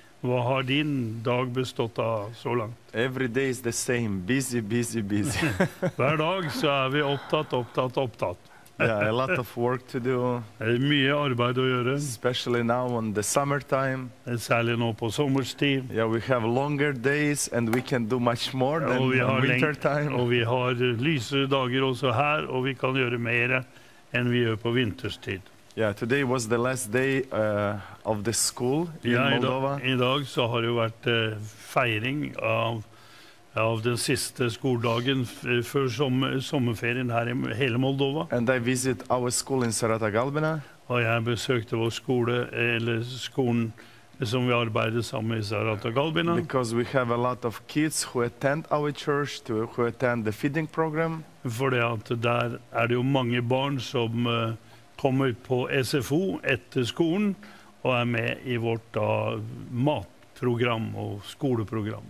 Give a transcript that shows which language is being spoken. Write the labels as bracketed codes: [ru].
[no] Hva har din dag bestått av så langt? [en] Every day is the same. Busy, busy, busy. [no] Hver dag så vi opptatt, opptatt, opptatt. [en] Yeah, a lot of work to do. [no] Mye arbeid å gjøre. [en] Especially now on the summertime. [no] Særlig nå på sommerstid. [en] Yeah, we have longer days and we can do much more than wintertime. [no] Og vi har lysere dager også her, og vi kan gjøre mer enn vi gjør på vinterstid. [en] Yeah, today was the last day of the school in Moldova. [no] I dag så har det vært feiring av den siste skoledagen før sommerferien her i hele Moldova. [en] And I visit our school in Sărata Galbenă. [no] Og jeg besøkte vår skole, eller skolen som vi arbeider sammen i Sărata Galbenă. [en] Because we have a lot of kids who attend our church, who attend the feeding program. [no] Fordi at der det jo mange barn som kommer på SFO etter skolen og med i vårt matprogram og skoleprogram.